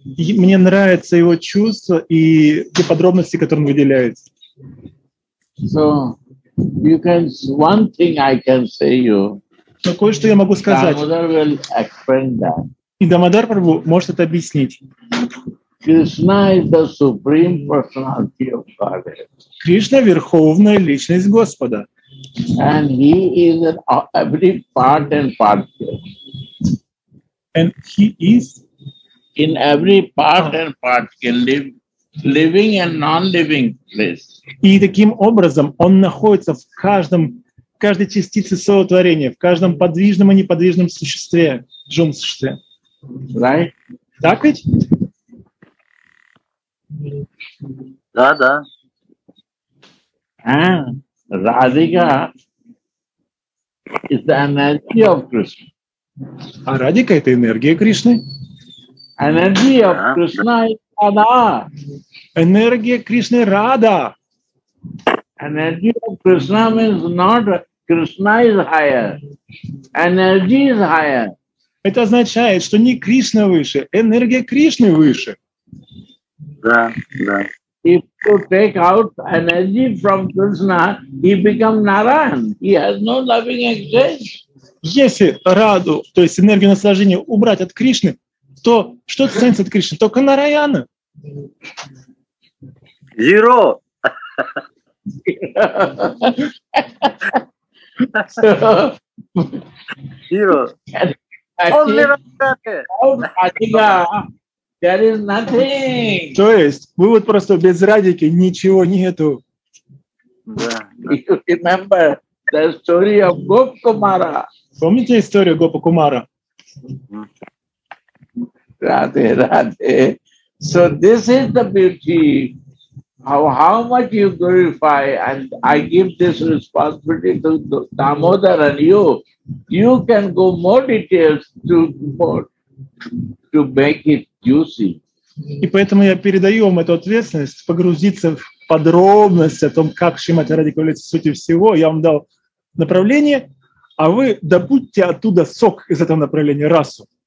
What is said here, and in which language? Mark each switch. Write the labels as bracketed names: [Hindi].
[Russian] И мне нравится его чувство и те подробности, которые он выделяет. [English] So, you can, one thing I can say you. [Russian] Но кое-что я могу сказать. [English] Damodar will explain that. [Russian] И Дамодар Прабху может это объяснить. [English] Krishna is the supreme personality of Godhead. [Russian] Кришна — верховная личность Господа. [English] And he is in every part and parcel. And he is in every part and parcel, living and non-living place. [Russian] И таким образом он находится в каждом, в каждой частице своего творения, в каждом подвижном и неподвижном существе, живом существе. Right? Так ведь? Да, да. [English] And Radhika is the energy of Krishna. [Russian] А Радика — это энергия Кришны. [English] Energy of Krishna is Radha. [Russian] Энергия Кришны — Радха. [English] Energy of Krishna means not Krishna is higher. Energy is higher. [Russian] Это означает, что не Кришна выше, энергия Кришны выше. Да, да. [English] If you take out energy from Krishna, he becomes Narayan. He has no loving existence. [Russian] Если Раду, то есть энергию наслаждения, убрать от Кришны, то что останется от Кришны? Только Нараяна. [English] Zero. Zero. There is nothing. [Russian] То есть вывод просто: без Радики ничего нету. [English] You remember the story of Gop Kumara. [Russian] Помните историю Гопа Кумара? [English] Раде, раде. So this is the beauty. How much you glorify, and I give this responsibility to Damodar and you. You can go more details to make it juicy. [Russian] И поэтому я передаю вам эту ответственность погрузиться в подробности о том, как Шримати Радика является сути всего. Я вам дал направление, а вы добудьте оттуда сок из этого направления, расу.